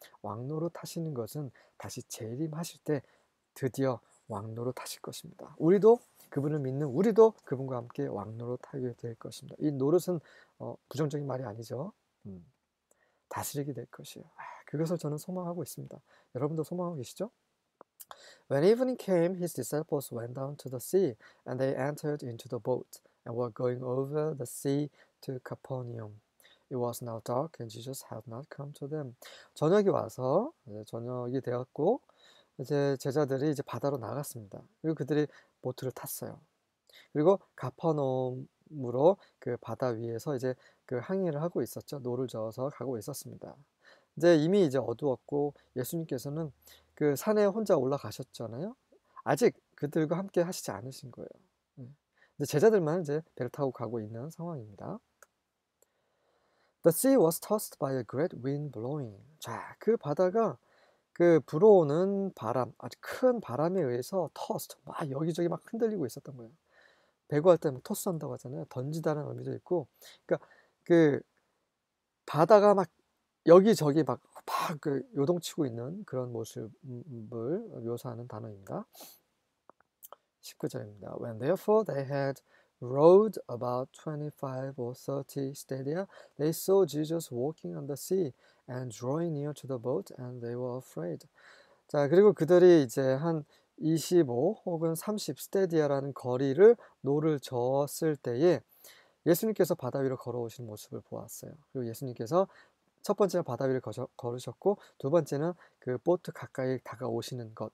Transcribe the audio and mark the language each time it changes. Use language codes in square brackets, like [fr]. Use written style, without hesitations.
[ko] 왕노릇 하시는 것은 다시 재림하실 때 드디어 왕노릇 하실 것입니다. 우리도 그분을 믿는 우리도 그분과 함께 왕노릇 하게 될 것입니다. 이 노릇은 부정적인 말이 아니죠. 다스리게 될 것이에요. 그것을 저는 소망하고 있습니다. 여러분도 소망하고 계시죠? [en] When evening came, his disciples went down to the sea, and they entered into the boat, and were going over the sea to Capernaum. It was now dark, and Jesus had not come to them. [ko] 저녁이 와서 저녁이 되었고 이제 제자들이 이제 바다로 나갔습니다. 그리고 그들이 보트를 탔어요. 그리고 가퍼넘으로 그 바다 위에서 이제 그 항해를 하고 있었죠. 노를 저어서 가고 있었습니다. 이제 이미 이제 어두웠고 예수님께서는 그 산에 혼자 올라가셨잖아요. 아직 그들과 함께 하시지 않으신 거예요. 이제 제자들만 이제 배를 타고 가고 있는 상황입니다. [en] The sea was tossed by a great wind blowing. [ko] 자, 그 바다가 그 불어오는 바람, 아주 큰 바람에 의해서 tossed, 막 여기저기 막 흔들리고 있었던 거예요. 배구할 때 토스 한다고 하잖아요. 던지다는 의미도 있고, 그러니까 그 바다가 막 여기저기 막팍그 요동치고 있는 그런 모습을 묘사하는 단어입니다. 19절입니다. [en] When therefore they had rowed about 25 or 30 stadia, they saw Jesus walking on the sea and drawing near to the boat, and they were afraid. [ko] 자, 그리고 그들이 이제 한25 혹은 30 stadia라는 거리를 노를 저었을 때에 예수님께서 바다 위로 걸어오시는 모습을 보았어요. 그리고 예수님께서 첫 번째는 바다 위를 걸으셨고 두 번째는 그 보트 가까이 다가오시는 것.